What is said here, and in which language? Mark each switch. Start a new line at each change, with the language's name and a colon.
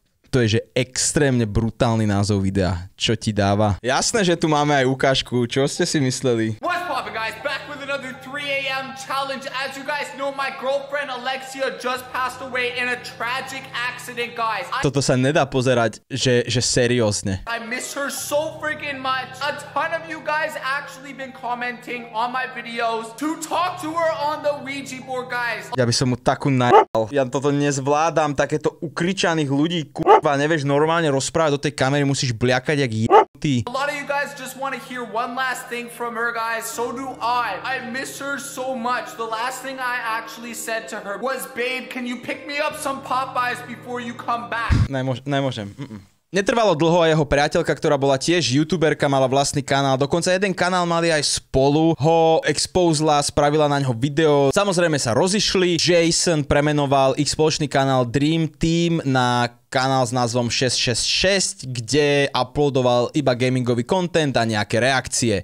Slovak: To je, že extrémne brutálny názov videa. Čo ti dáva? Jasné, že tu máme aj ukážku. Čo ste si mysleli?
English: What's poppin', guys? Back with another 3 AM challenge. As you guys know, my girlfriend Alexia just passed away in a tragic accident, guys.
Slovak: Toto sa nedá pozerať, že seriózne.
English: I miss her so freaking much. A ton of you guys actually been commenting on my videos to talk to her on the Ouija board, guys.
Slovak: Ja by som mu takú najal. Ja toto nezvládam, takéto ukričaných ľudí, kurva, nevieš normálne rozprávať do tej kamery, musíš bliakať jak j***ty.
English: A lot of you guys just want to hear one last thing from her, guys. So do I miss her so much. The last thing I actually said to her was, babe, can you pick me up some Popeyes before you come back?
Slovak: Nemôžem. Netrvalo dlho a jeho priateľka, ktorá bola tiež youtuberka, mala vlastný kanál, dokonca jeden kanál mali aj spolu, ho expozla, spravila na ňo video. Samozrejme sa rozišli, Jason premenoval ich spoločný kanál Dream Team na kanál s názvom 666, kde uploadoval iba gamingový content a nejaké reakcie.